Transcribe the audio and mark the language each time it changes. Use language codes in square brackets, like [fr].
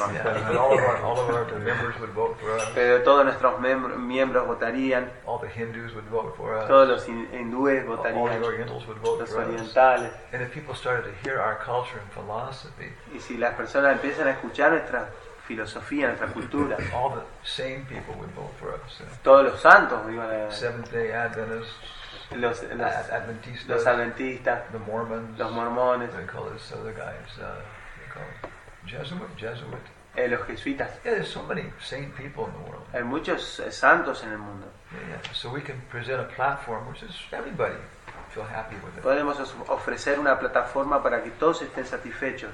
[en] All of our members would vote for us. [es] Pero todos nuestros miembros votarían. [en] All the Hindus would vote for us. [es] Todos los hindúes votarían. [en] All the Orientals would vote for us. [es] Los orientales. [en] And if people started to hear our culture and philosophy. [es] Y si las personas empiezan a escuchar nuestra filosofía, nuestra cultura. [en] All the same people would vote for us. [es] Todos los santos iban a. [en] Seventh-day Adventists. [es] Los adventistas. [en] The Mormons. [es] Los mormones. [en] They call this other guys. They call it Jesuit. [es] Los jesuitas. [en] Yeah, there's so many sane people in the world. [es] Hay muchos santos en el mundo. [en] Yeah. So we can present a platform which is everybody feel happy with it. [es] Podemos ofrecer una plataforma para que todos estén satisfechos.